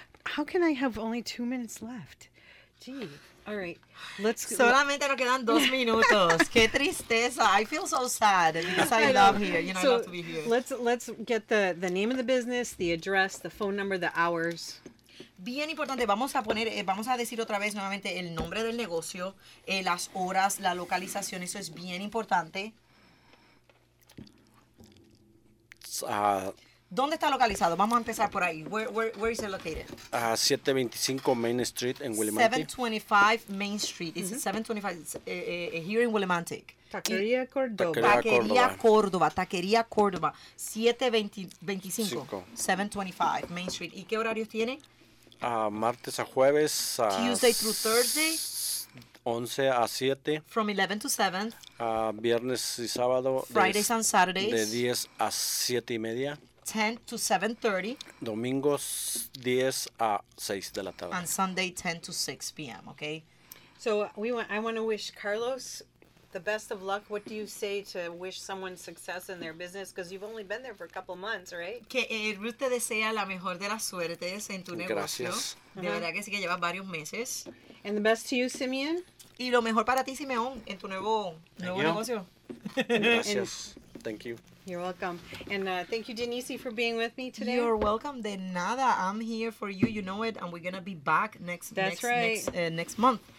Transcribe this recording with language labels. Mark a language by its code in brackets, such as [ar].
[en] How can I have only 2 minutes left? Gee, all right, let's go. [es] Solamente nos quedan 2 minutos. Qué tristeza. [en] I feel so sad because I love here. You know, so I love to be here. Let's get the name of the business, the address, the phone number, the hours. [es] Bien importante, vamos a decir otra vez nuevamente el nombre del negocio, las horas, la localización. Eso es bien importante. ¿Dónde está localizado? Vamos a empezar por ahí. [en] Where is it located? 725 Main Street in Willimantic. 725 Main Street. It's mm-hmm. 725 here in Willimantic. Taqueria Cordoba. Taqueria Cordoba. 725. [es] 725 Main Street. ¿Y qué horarios tiene? Martes a jueves. [en] Tuesday through Thursday. [es] 11 a 7. [en] From 11 to 7. [es] Viernes y sábado. [en] Fridays and Saturdays. [es] De 10 a 7 y media. [en] 10 to 7:30. [es] Domingos 10 a 6 de la tarde. [en] And Sunday 10 to 6 p.m. Okay. So I want to wish Carlos the best of luck. What do you say to wish someone success in their business? Because you've only been there for a couple months, right? [es] Que Ruth te desea la mejor de las suertes en tu negocio. Gracias. De verdad que sí que llevas varios meses. [en] And the best to you, Simeon. [es] Y lo mejor para ti, Simeon, en tu nuevo negocio. Gracias. [en] Thank you. You're welcome. And thank you, Denise, for being with me today. You're welcome. [es] De nada. [en] I'm here for you. You know it. And we're going to be back next month.